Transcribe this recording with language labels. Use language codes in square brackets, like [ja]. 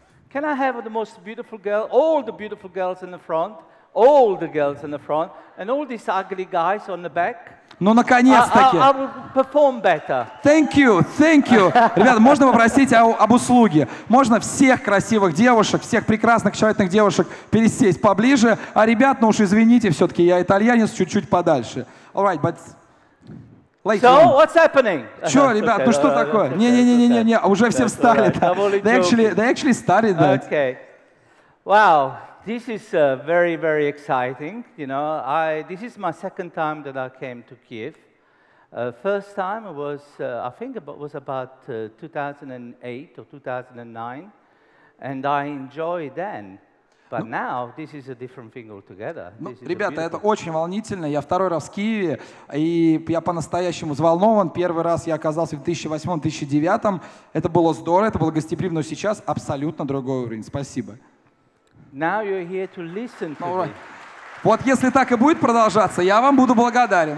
[en] Can I have the most beautiful girl, all the beautiful girls in the front, all the girls in the front, and all these ugly guys on the back? [ru] Ну, наконец-таки. [en] I will perform better. Thank you, thank you. [ru] Ребята, можно попросить об услуге? Можно всех красивых девушек, всех прекрасных, тщательных девушек пересесть поближе? А ребят, ну уж извините, все-таки я итальянец, чуть-чуть подальше. [en] All right, but... Later. So, what's happening? [ru] Что, ребят, okay, ну что такое? Не-не-не-не-не, уже все встали. [en] They actually started that. Okay. Wow, this is very, very exciting. You know, this is my second time that I came to Kyiv. First time was, I think it was about 2008 or 2009, and I enjoyed then. But now this is a different thing altogether. [ru] Ну, ребята, это очень волнительно. Я второй раз в Киеве, и я по-настоящему взволнован. Первый раз я оказался в 2008-2009. Это было здорово, это было гостеприимно. Но сейчас абсолютно другой уровень. Спасибо. [en] Now you're here to listen to me. [ru] Вот если так и будет продолжаться, я вам буду благодарен.